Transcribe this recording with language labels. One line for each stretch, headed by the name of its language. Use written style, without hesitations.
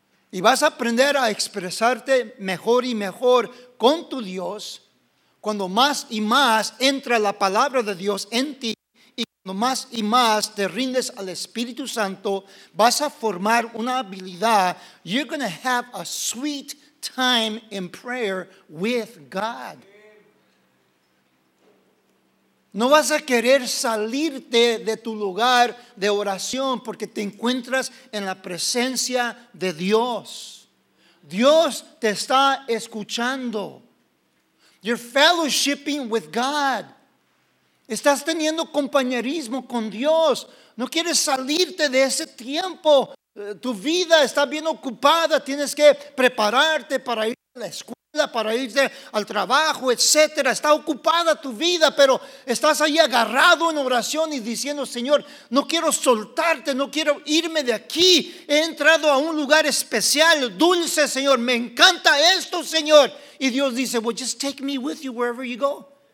Spanish: Y vas a aprender a expresarte mejor y mejor con tu Dios cuando más y más entra la palabra de Dios en ti. Cuando más y más te rindes al Espíritu Santo, vas a formar una habilidad.
English: You're going to have a sweet time in prayer with God.
Spanish: No vas a querer salirte de tu lugar de oración porque te encuentras en la presencia de Dios. Dios te está escuchando.
English: You're fellowshipping with God.
Spanish: Estás teniendo compañerismo con Dios. No quieres salirte de ese tiempo. Tu vida está bien ocupada. Tienes que prepararte para ir a la escuela. vida para irte al trabajo, etcétera. Está ocupada tu vida, pero estás ahí agarrado en oración y diciendo: Señor, no quiero soltarte, no quiero irme de aquí. He entrado a un lugar especial, dulce, Señor. Me encanta esto, Señor. Y Dios dice:
English: Well, just take me with you wherever you go.